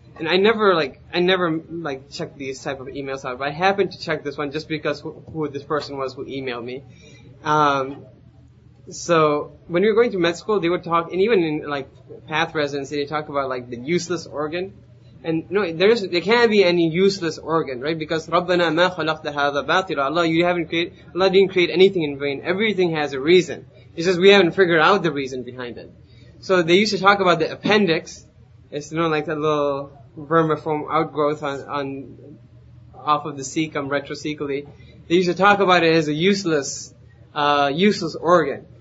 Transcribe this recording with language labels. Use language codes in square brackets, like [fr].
[en] And I never check these type of emails out, but I happened to check this one just because who this person was who emailed me. So when we were going to med school, they would talk, and even in, like, path residency, they talk about, like, the useless organ. And no, there can't be any useless organ, right? [ar] Because رَبَّنَا مَا خَلَقْتَ هَذَا بَاطِرًا. [en] Allah, Allah didn't create anything in vain. Everything has a reason. It's just we haven't figured out the reason behind it. So they used to talk about the appendix. It's, you know, like that little vermiform outgrowth on off of the cecum retrocecally. They used to talk about it as a useless organ.